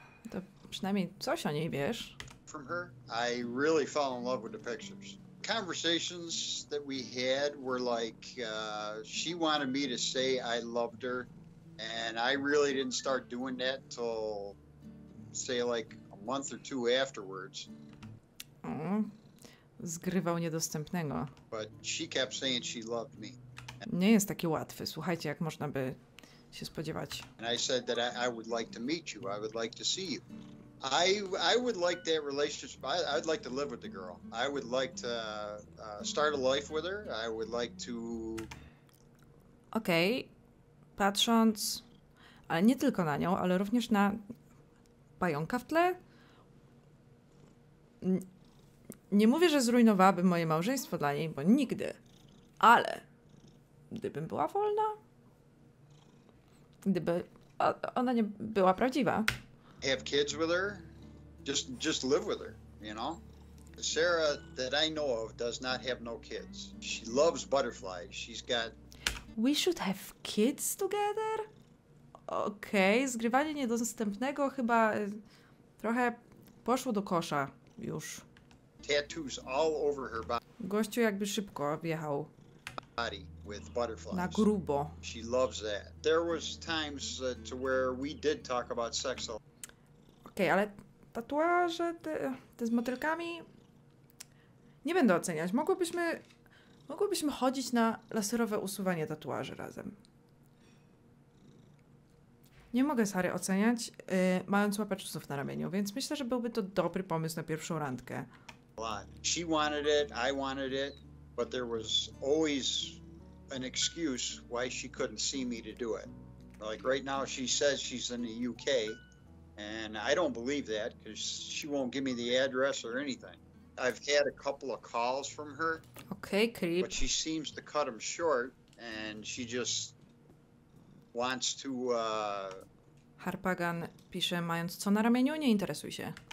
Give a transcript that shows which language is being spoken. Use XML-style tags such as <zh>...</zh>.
<pl>to przynajmniej coś o niej wiesz.</pl> <en>From her, I really fell in love with the pictures. Conversations that we had were like, she wanted me to say I loved her. And I really didn't start doing that till, say, like a month or two afterwards.</en> <pl>Zgrywał niedostępnego.</pl> <en>But she kept saying she loved me.</en> <pl>Nie jest taki łatwy. Słuchajcie, jak można by się spodziewać.</pl> <en>And I said that I would like to meet you. I would like to see you. I would like that relationship. I'd like to live with the girl. I would like to start a life with her. I would like to... Okej. Okay.</en> <pl>Patrząc, ale nie tylko na nią, ale również na pająka w tle. Nie mówię, że zrujnowałabym moje małżeństwo dla niej, bo nigdy. Ale gdybym była wolna, gdyby ona nie była prawdziwa.</pl> <en>Have kids with her, just live with her, you know? Sarah, that I know of, does not have no kids. She loves butterflies, she's got... We should have kids together? Okej, okay.</en> <pl>Zgrywanie niedostępnego chyba trochę poszło do kosza już.</pl> <en>Tattoos all over her body.</en> <pl>Gościu jakby szybko wjechał.</pl> <en>Body with butterflies.</en> <pl>Na grubo.</pl> <en>She loves that. There was times to where we did talk about sex a lot.</en> <pl>Okej, okay, ale tatuaże te z motylkami nie będę oceniać. Mogłybyśmy chodzić na laserowe usuwanie tatuaży razem. Nie mogę Sary oceniać, mając łapacz usów na ramieniu, więc myślę, że byłby to dobry pomysł na pierwszą randkę.</pl> <en>She wanted it, I wanted it, but there was always an excuse why she couldn't see me to do it. Like right now she says she's in the UK. And I don't believe that because she won't give me the address or anything. I've had a couple of calls from her. Okay, creep. But she seems to cut them short and she just wants to...</en> <pl>Harpagan pisze, mając co na ramieniu, nie interesuj się.</pl>